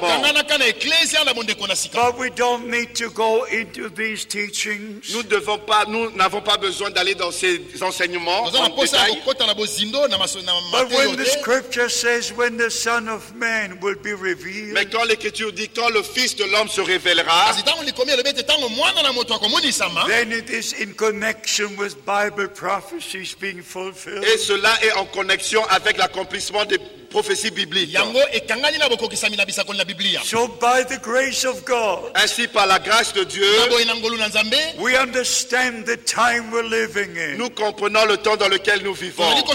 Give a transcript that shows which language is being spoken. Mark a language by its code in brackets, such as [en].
[en] But we don't need to go into these teachings. [fr] Nous n'avons pas besoin d'aller dans ces enseignements. [en] But when the scripture says when the Son of Man will be revealed. [fr] Mais quand l'écriture dit quand le Fils de l'homme se révélera. [en] Then it is in connection with Bible prophecies being fulfilled. [fr] Et cela est en connexion avec l'accomplissement des [en] prophecy [fr] biblique. [en] So by the grace of God, [fr] ainsi par la grâce de Dieu, [en] we understand the time we're living in. [fr] Nous comprenons le temps dans lequel nous vivons.